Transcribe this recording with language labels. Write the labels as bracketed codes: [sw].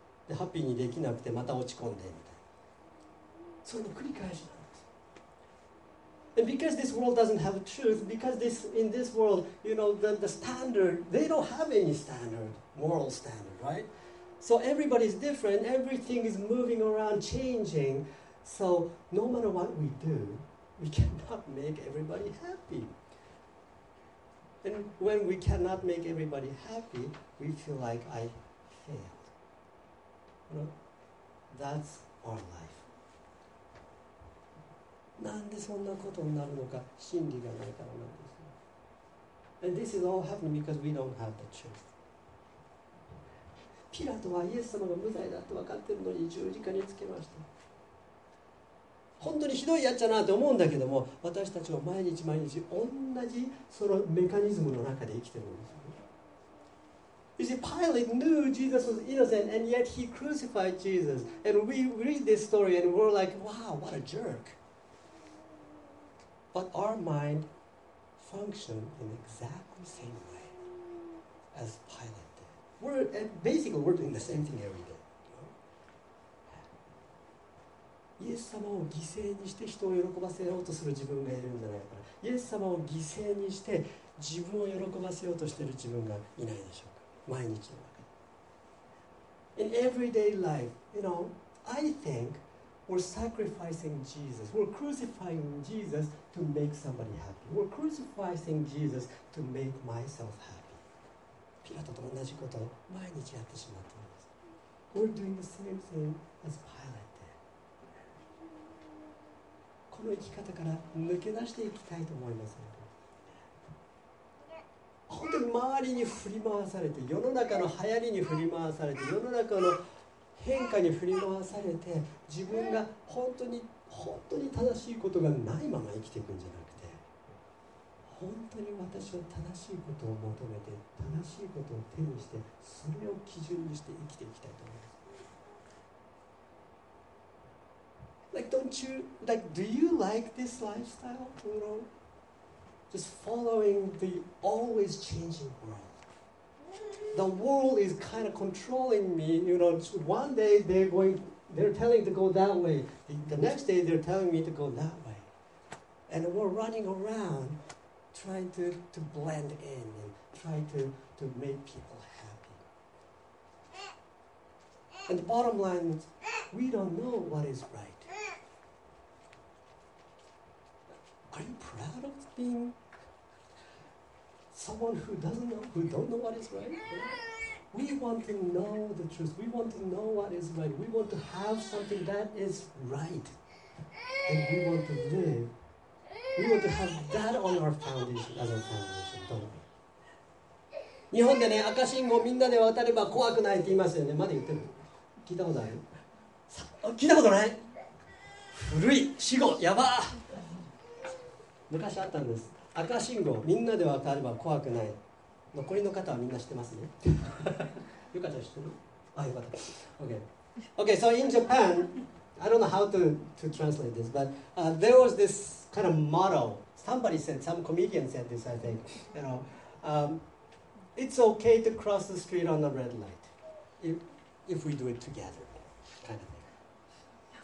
[ja] でハッピーにできなくてまた落ち込んでみたいな、それの繰り返しなんです。 [en] And because this world doesn't have truth, because this, in this world, you know, the standard, they don't have any standard, moral standard, right? So everybody's different, everything is moving around, changing. So no matter what we do, we cannot make everybody happy. And when we cannot make everybody happy, we feel like I failed. You know, that's our life. [ja] なんでそんなことになるのか、真理がないからなんですよ。 [en] And this is all happening because we don't have the truth. [ja] ピラトはイエス様が無罪だって分かってるのに十字架につけました。本当にひどいやっちゃなと思うんだけども、私たちは毎日毎日同じそのメカニズムの中で生きてるんですよ。 [en] You see, Pilate knew Jesus was innocent and yet he crucified Jesus. And we read this story and we're like, wow, what a jerk. But our mind functions in exactly the same way as Pilate did. We're, basically, we're doing the same thing every day. [ja] イエス様を犠牲にして人を喜ばせようとする自分がいるんじゃないかな。イエス様を犠牲にして自分を喜ばせようとしている自分がいないでしょうか。毎日の中で。 [en] In everyday life, you know, I think,We're sacrificing Jesus. We're crucifying Jesus to make somebody happy. We're crucifying Jesus to make myself happy. [ja] ピラトと同じことを毎日やってしまっています。 [en] We're doing the same thing as Pilate. [ja] この生き方から抜け出していきたいと思います。本当に周りに振り回されて、世の中の流行りに振り回されて、世の中の変化に振り回されて、自分が本当に本当に正しいことがないまま生きていくんじゃなくて、本当に私は正しいことを求めて、正しいことを手にして、それを基準にして生きていきたいと思います。 [en] Like, don't you, like, do you like this lifestyle, Uro? Just following the always changing world. The world is kind of controlling me. You know, one day they're telling to go that way. The next day they're telling me to go that way. And we're running around trying to blend in and try to make people happy. And the bottom line is, we don't know what is right. Are you proud of being... Someone who doesn't know, who don't know what is right. We want to know the truth. We want to know what is right. We want to have something that is right. And we want to live. We want to have that on our foundation, as our foundation, don't we? [ja] 日本でね、赤信号みんなで渡れば怖くないって言いますよね。まだ言ってる。聞いたことある？聞いたことない？古い、死語、やば。昔あったんです。赤信号、みんなで渡れば怖くない。残りの方はみんな知ってますね。よかった、知ってる？あ、よかった。Okay. [en] Okay, so in Japan, I don't know how to translate this, but、there was this kind of motto. Somebody said, some comedian said this, I think. You know,、it's okay to cross the street on the red light if we do it together, kind of thing.